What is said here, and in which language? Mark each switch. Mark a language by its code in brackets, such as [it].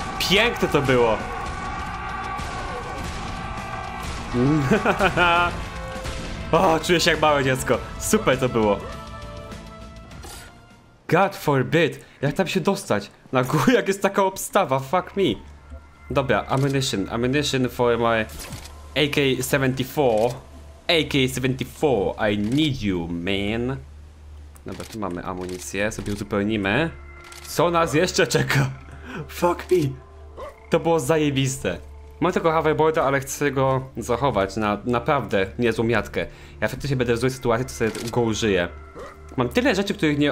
[pl] Piękne to było. O, czuję się jak małe dziecko. Super to było. [en] God forbid, [pl] jak tam się dostać? Na górę, jak jest taka obstawa, [en] fuck me. [pl] Dobra, [en] ammunition, ammunition for my AK-74, I need you, man. [pl] Dobra, tu mamy amunicję, sobie uzupełnimy. Co nas jeszcze czeka? [en] Fuck me. [pl] To było zajebiste. Mam tylko hoverboarda, ale chcę go zachować na naprawdę niezłą miatkę. Ja faktycznie będę w złej sytuacji, to sobie go użyję. Mam tyle rzeczy, których nie...